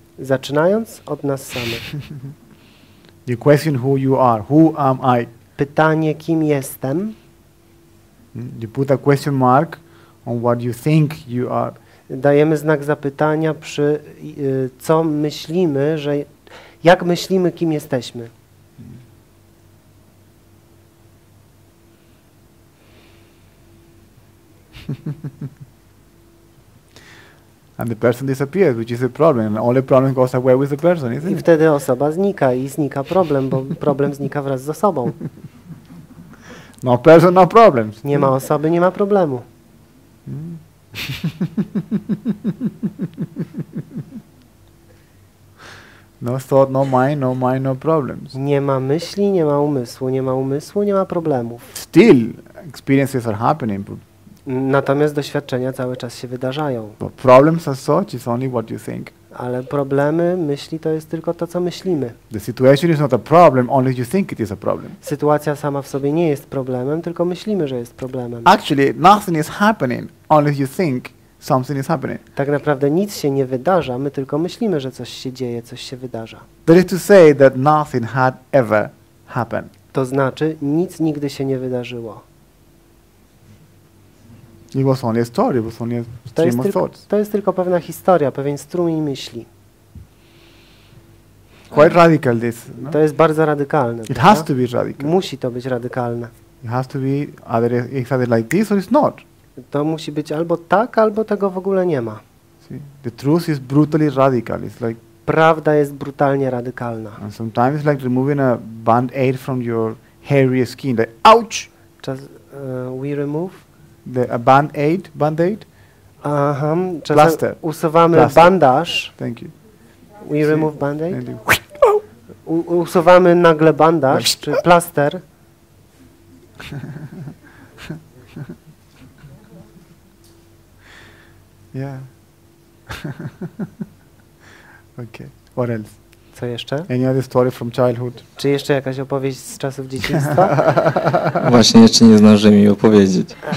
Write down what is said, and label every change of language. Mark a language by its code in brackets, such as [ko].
[pl] Zaczynając od nas samych. [en] You question who you are. Who am I? [pl] Pytanie, kim jestem? [en] You put a question mark on what you think you are. [pl] Dajemy znak zapytania przy co myślimy, że jak myślimy, kim jesteśmy? [en] And the person disappears, which is a problem. And all the problem goes away with the person, isn't it? [pl] I wtedy osoba znika i znika problem, bo problem znika wraz z osobą. [en] No person, no problem. [pl] Nie ma osoby, nie ma problemu. [en] No thought, no mind, no mind, no problems. [pl] Nie ma myśli, nie ma umysłu, nie ma umysłu, nie ma problemów. [en] Still, experiences are happening. [pl] Natomiast doświadczenia cały czas się wydarzają. [en] But problems as such is only what you think. [pl] Ale problemy, myśli, to jest tylko to, co myślimy. [en] The situation is not a problem, only you think it is a problem. [pl] Sytuacja sama w sobie nie jest problemem, tylko myślimy, że jest problemem. [en] Actually, nothing is happening, only you think something is happening. [pl] Tak naprawdę nic się nie wydarza, my tylko myślimy, że coś się dzieje, coś się wydarza. [en] That is to say that nothing had ever happened. [pl] To znaczy, nic nigdy się nie wydarzyło. [en] It was only a story, it was only a stream of thoughts. [pl] To jest tylko pewna historia, pewien strumień myśli. [en] Quite radical this. No? [pl] To jest bardzo radykalne. [en] It has to be radical. [pl] Musi to być radykalne. [en] It has to be either it's either like this or it's not. [pl] To musi być albo tak, albo tego w ogóle nie ma. [en] See? The truth is brutally radical. It's like [pl] prawda jest brutalnie radykalna. [en] And sometimes it's like removing a band-aid from your hairy skin. Like, ouch! We remove. A band-aid? [pl] Aha, plaster. Usuwamy plaster. Bandaż. [en] Thank you. We remove band-aid? [pl] Usuwamy nagle bandaż, czy plaster. [en] Yeah. Okay, what else? [pl] Co jeszcze? [en] Any other story from childhood? [pl] Czy jeszcze jakaś opowieść z czasów dzieciństwa? Właśnie jeszcze nie zdążyłem jej opowiedzieć.